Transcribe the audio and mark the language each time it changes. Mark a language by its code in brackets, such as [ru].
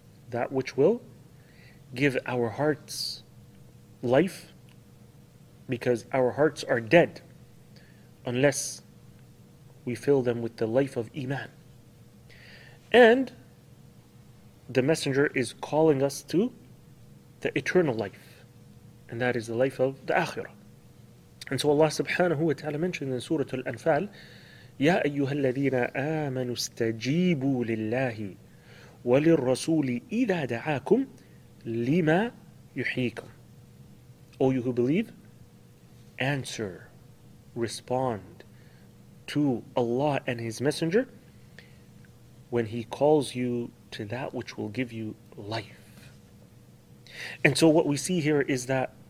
[en] That which will give our hearts life, because our hearts are dead unless we fill them with the life of Iman. And the messenger is calling us to the eternal life, and that is the life of the Akhirah. And so Allah subhanahu wa ta'ala mentioned in Surah Al-Anfal, [ar] يَا أَيُّهَا الَّذِينَ آمَنُوا اسْتَجِيبُوا لِلَّهِ وَلِلرَّسُولِ إِذَا دَعَاكُمْ لِمَا يُحْيِيكُمْ. [en] O you who believe, answer, respond to Allah and His Messenger when He calls you to that which will give you life. And so what we see here is that